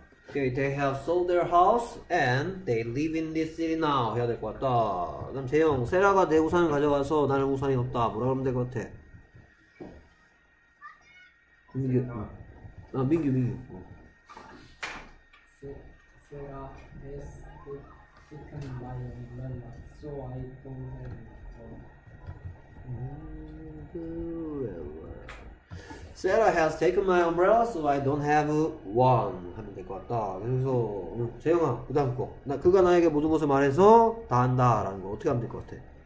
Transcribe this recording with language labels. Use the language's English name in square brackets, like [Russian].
[English] Okay, they have sold their house and they live in this city now. [Korean] 해야 될 것 같다. 그럼 재영, 세라가 내 우산을 가져와서 나는 우산이 없다. 뭐라 하면 될 것 같아? 민규. 아, 민규, 민규. [English] 세라 has taken my umbrella, so I don't have one. Sarah has taken my umbrella, so I don't have one. [Korean] 하면 될 것 같다. 그래서 재영아, 그 다음 거. 나 그가 나에게 모든 것을 말해서 다 한다라는 거 어떻게 하면 될 것 같아?